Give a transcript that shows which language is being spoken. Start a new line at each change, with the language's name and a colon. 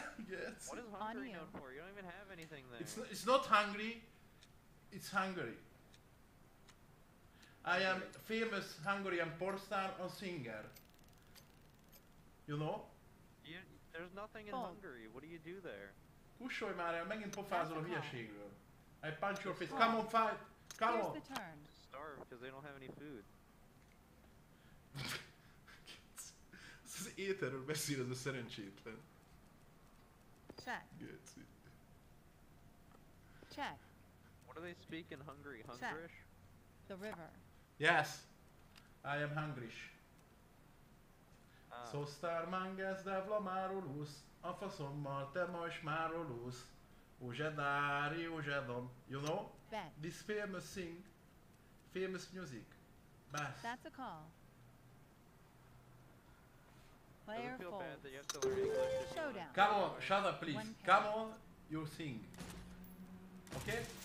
English: Yes. What is Hungary known for? You don't even have anything there. It's not Hungary. It's Hungary. I am famous Hungarian porn star and singer. You know? There's nothing in Hungary. What do you do there?
Hungarian: Kussolj már el, megint pofázol a hülyeségről.
English: I punch your face. Come on, fight! Come Here's on! The turn. Starve, because they don't have any food.
Hungarian: Ez az ételről beszél, ez a szerencsétlen.
English: Check.
Hungarian: Geci.
English: Check. What do they speak in Hungary? Hungrish? The river. Yes! I am Hungrish. So star mangas devla máról úsz, a faszommal te majs máról úsz, Uzsedári Uzsedom. You know? Ben. This famous thing, famous music, bass. That's a call. Player falls. Showdown. Come on, shut up please. Come on, you sing. Okay?